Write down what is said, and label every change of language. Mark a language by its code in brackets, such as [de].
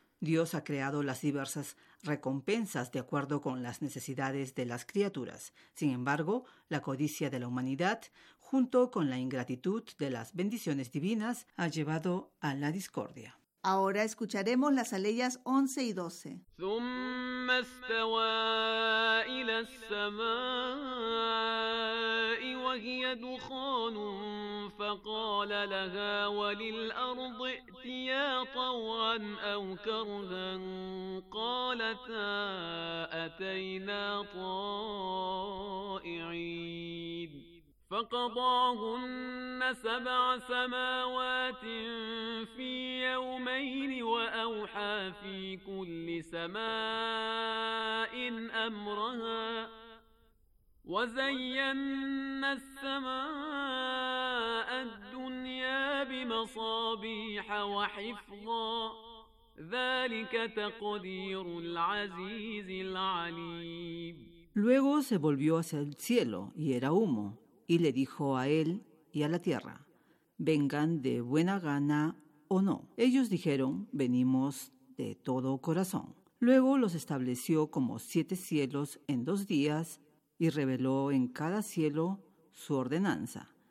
[es] Dios ha creado las diversas recompensas de acuerdo con las necesidades de las criaturas. Sin embargo, la codicia de la humanidad, junto con la ingratitud de las bendiciones divinas, ha llevado a la discordia. Ahora escucharemos las aleyas 11 y 12. [ar] ثم استوى إلى السماء وهي دخان فقال لها وللأرض ائتيا طوعا أو كرها قالتا أتينا طائعين فقضاهن سبع سماوات في يومين وأوحى في كل سماء أمرها وزينا السماء الدنيا بمصابيح وحفظا ذلك تقدير العزيز العليم. [es] Luego se volvió hacia el cielo y era humo. Y le dijo a él y a la tierra, «Vengan de buena gana o no». Ellos dijeron, «Venimos de todo corazón». Luego los estableció como siete cielos en dos días y reveló en cada cielo su ordenanza.